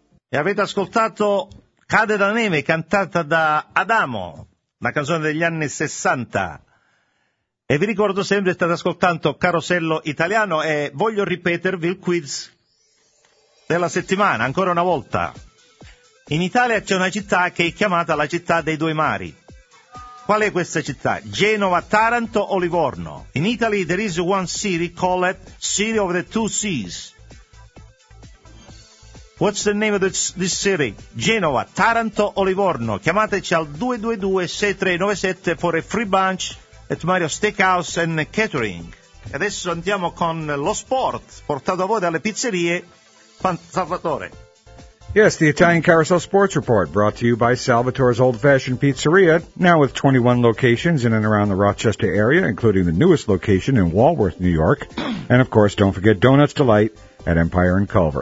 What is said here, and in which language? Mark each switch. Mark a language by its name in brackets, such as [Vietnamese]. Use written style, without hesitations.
[Italian] Avete ascoltato Cade la neve, cantata da Adamo, una canzone degli anni 60. E vi ricordo sempre, state ascoltando Carosello Italiano e voglio ripetervi il quiz della settimana, ancora una volta. In Italia c'è una città che è chiamata la città dei due mari. Qual è questa città? Genova, Taranto o Livorno? [English] In Italy there is one city called City of the Two Seas. What's the name of this city? [Italian] Genova, Taranto o Livorno? Chiamateci al 222-6397 [English] for a free bunch at Mario Steakhouse and Catering. [Italian] Adesso andiamo con lo sport, portato a voi dalle pizzerie Salvatore. [English] Yes, the Italian Carousel Sports Report, brought to you by Salvatore's Old Fashioned Pizzeria, now with 21 locations in and around the Rochester area, including the newest location in Walworth, New York. And of course, don't forget Donuts Delight at Empire and Culver.